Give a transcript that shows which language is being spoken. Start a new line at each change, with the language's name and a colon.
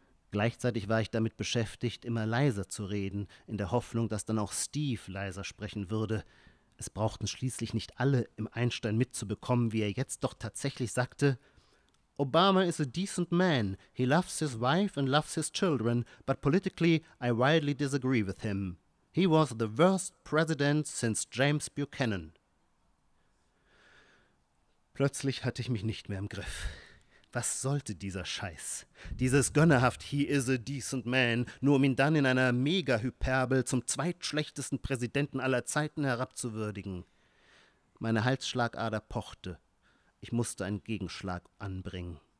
German: Gleichzeitig war ich damit beschäftigt, immer leiser zu reden, in der Hoffnung, dass dann auch Steve leiser sprechen würde. Es brauchten schließlich nicht alle im Einstein mitzubekommen, wie er jetzt doch tatsächlich sagte:
English: Obama is a decent man. He loves his wife and loves his children, but politically I wildly disagree with him. He was the worst president since James Buchanan.
German: Plötzlich hatte ich mich nicht mehr im Griff. Was sollte dieser Scheiß? Dieses gönnerhaft
English: He is a decent man,
German: nur um ihn dann in einer Mega-Hyperbel zum zweitschlechtesten Präsidenten aller Zeiten herabzuwürdigen. Meine Halsschlagader pochte. Ich musste einen Gegenschlag anbringen.